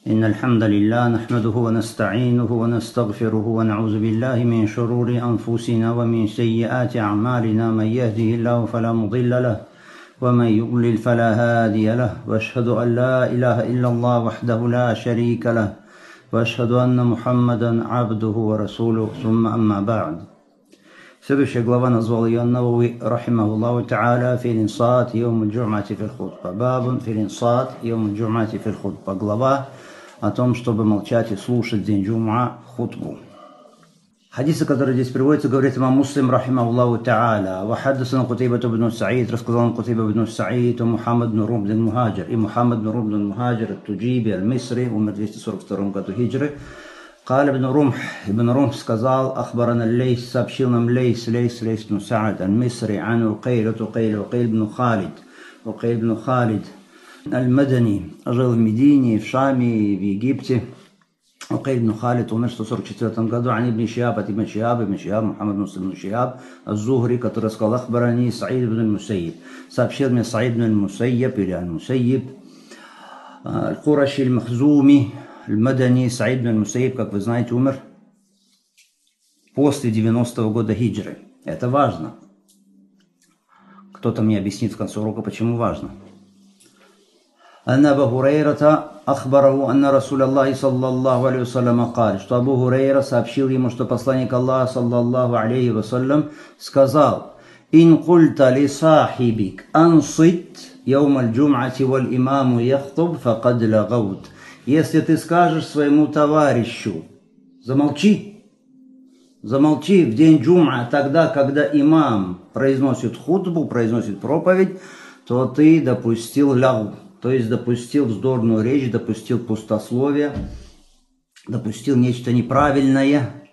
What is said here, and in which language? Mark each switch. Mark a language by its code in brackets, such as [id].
[ar] إن الحمد لله نحمده ونستعينه ونستغفره ونعوذ بالله من شرور أنفسنا ومن سيئات أعمالنا، من يهده الله فلا مضل له ومن يضلل فلا هادي له، وأشهد أن لا إله إلا الله وحده لا شريك له، وأشهد أن محمدا عبده ورسوله. ثم أما بعد، [ru] следующая глава назвала ее [ar] النووي رحمه الله تعالى في الإنصات يوم الجمعة في الخطبة، باب في الإنصات يوم الجمعة في الخطبة، غلبة [ru] о том, чтобы молчать и слушать день джума хутбу. Хадисы, которые здесь приводятся, говорит имам Муслим рахимаху тааля: ва хаддасана Кутайбат ибн Саид, рассказал нам Кутайба ибн Саид, Мухаммад ибн Рубд аль-Мухаджир, и Мухаммад ибн Рубд аль-Мухаджир ат-Туджиби аль-Мисри, умер в 242 году хиджры. Каля ибн Румх, ибн Румх сказал: ахбарана Лейс, сообщил нам Лейс, Лейс ибн Саад аль-Мисри, ан Укейл, Укейл ибн Халид, Укейл ибн Халид Аль-Мадани, жил в Медине, в Шаме, в Египте. Укейль ибн Халид умер в 144 году. Ани ибн Шиаб, Атима Шиаб, Ибн Шиаб, Мухаммад Муслим ибн Шиаб, Аз-Зухри, который сказал: Ахбарани Саид ибн Мусейб, сообщил мне Саид ибн Мусейб или Аль-Мусейб. Аль-Кураши Аль-Махзуми, Аль-Мадани, Саид ибн Мусейб, как вы знаете, умер после 90 года хиджры. Это важно. Кто-то мне объяснит в конце урока, почему важно. [ar] أن أبو هريرة أخبره أن رسول الله صلى الله عليه وسلم قال [ru] что أبو هريرة сообщил ему, что посланник Аллаха صلى الله عليه وسلم сказал: [ar] إن قلت لصاحبك أنصت يوم الجمعة والإمام يخطب فقد لغوت. [ru] Если ты скажешь своему товарищу: замолчи, замолчи в день джума, тогда, когда имам произносит хутбу, произносит проповедь, то ты допустил лагу, то есть допустил вздорную речь, допустил пустословие, допустил нечто неправильное.